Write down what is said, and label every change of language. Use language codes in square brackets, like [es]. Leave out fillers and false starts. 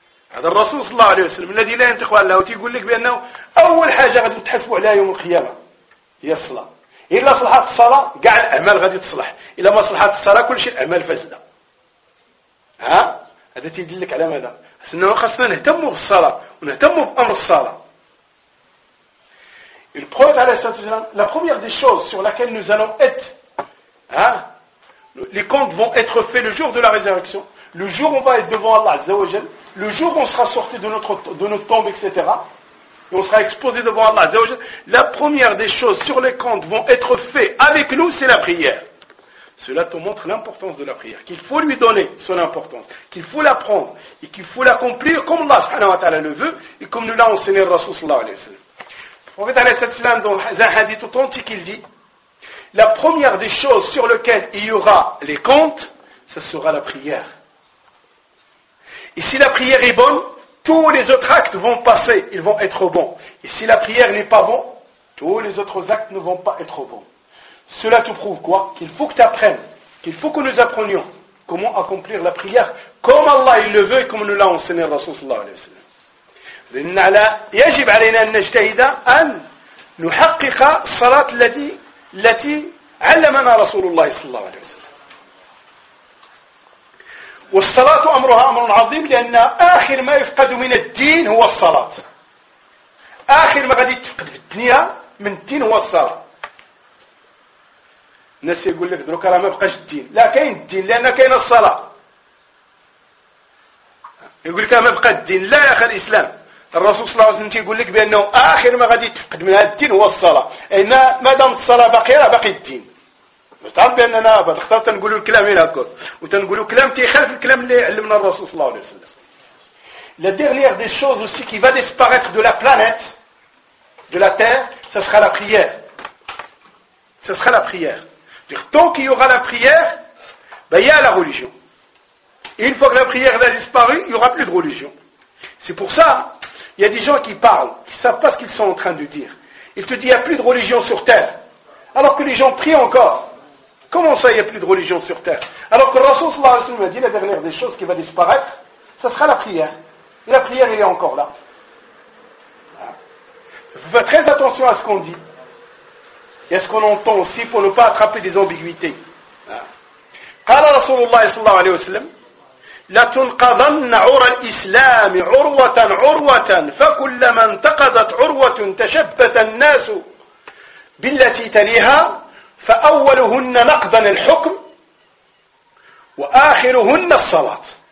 [ar] هذا الرسول صلى الله عليه وسلم الذي لا ينطق عن الهوى يقول لك بأنه أول حاجة غادي تحسبوا عليها يوم القيامة هي الصلاة. إلا صلحت الصلاة كاع الأعمال غادي تصلح، إلا ما صلحت الصلاة كل شيء الأعمال فاسدة. ها هذا تيدل لك على ماذا؟ أنه خاصنا نهتموا بالصلاة ونهتموا بأمر الصلاة. [fr] Le prophète alayhi salatu wasalam, la première des choses sur laquelle nous allons être, hein, les comptes vont être faits le jour de la résurrection, le jour où on va être devant Allah Azza wa Jal, le jour où on sera sorti de notre tombe, etc. Et on sera exposé devant Allah Azza wa Jal. La première des choses sur les comptes vont être faits avec nous, c'est la prière. Cela te montre l'importance de la prière, qu'il faut lui donner son importance, qu'il faut la prendre et qu'il faut l'accomplir comme Allah subhanahu wa ta'ala le veut et comme nous l'a enseigné le Rasoul sallallahu alayhi wa sallam. En fait, alayhi salatu wasalam, dans un hadith authentique, il dit, la première des choses sur lesquelles il y aura les comptes, ce sera la prière. Et si la prière est bonne, tous les autres actes vont passer, ils vont être bons. Et si la prière n'est pas bonne, tous les autres actes ne vont pas être bons. Cela te prouve quoi? Qu'il faut que tu apprennes, qu'il faut que nous apprenions comment accomplir la prière comme Allah il le veut et comme nous l'a enseigné le Rasoul sallallahu alayhi wa sallam. [ar] لأن على يجب علينا أن نجتهد أن نحقق الصلاة التي علمنا رسول الله صلى الله عليه وسلم. والصلاة أمرها أمر عظيم لأن آخر ما يفقد من الدين هو الصلاة. آخر ما غادي تفقد في الدنيا من الدين هو الصلاة. الناس يقول لك دروك راه ما بقاش الدين. لا كاين الدين لأن كاين الصلاة. يقول لك ما بقى الدين لا يا أخي الإسلام. الرسول صلى الله عليه وسلم يقول لك بأنه آخر ما غادي تفقد من هذا الدين هو الصلاة. إن ما دامت الصلاة باقية راه باقي الدين. مستعد بأننا اخترت نقول الكلام هنا هكا وتنقولوا كلام تيخالف الكلام اللي علمنا الرسول صلى الله عليه وسلم. [fr] La dernière des choses aussi qui va disparaître de la planète, de la terre, ce sera la prière. Ce sera la prière. Donc, tant qu'il y aura la prière, ben, il y a la religion. Et une fois que la prière a disparu, il n'y aura plus de religion. C'est pour ça. Il y a des gens qui parlent, qui ne savent pas ce qu'ils sont en train de dire. Ils te disent il n'y a plus de religion sur terre. Alors que les gens prient encore. Comment ça, il n'y a plus de religion sur terre? Alors que le Rasoul sallallahu alayhi wa sallam a dit la dernière des choses qui va disparaître, ce sera la prière. Et la prière, elle est encore là. Il faut faire très attention à ce qu'on dit. Et à ce qu'on entend aussi pour ne pas attraper des ambiguïtés. [ar] Qala le Rasoul sallallahu alayhi wa sallam, لتنقضن عرى الإسلام عروة عروة فكلما انتقضت عروة تشبث الناس بالتي تليها فأولهن نقضا الحكم وآخرهن الصلاة.